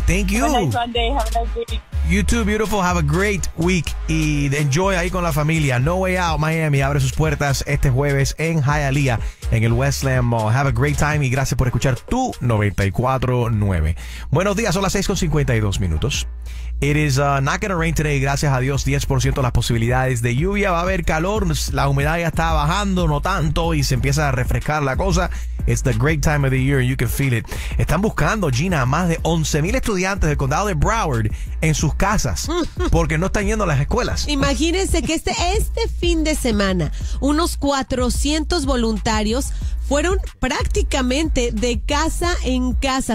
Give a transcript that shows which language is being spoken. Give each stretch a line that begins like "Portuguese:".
English: Thank you. Have a nice Sunday. Have a nice week. You too, beautiful. Have a great week. Y enjoy ahí con la familia.
Spanish: No Way Out Miami abre sus puertas este jueves en Hialeah, en el Westland Mall. Have a great time y gracias por escuchar tu 94.9. Buenos días, son las 6:52.
English: It is not going to rain today, gracias a Dios.
Spanish: 10% las posibilidades de lluvia. Va a haber calor, la humedad ya está bajando, no tanto, y se empieza a refrescar la cosa.
English: It's the great time of the year and you can feel it.
Spanish: Están buscando, Gina, a más de 11,000 estudiantes del condado de Broward en sus casas porque no están yendo a las escuelas. Imagínense que este fin de semana unos 400 voluntarios fueron prácticamente de casa en casa.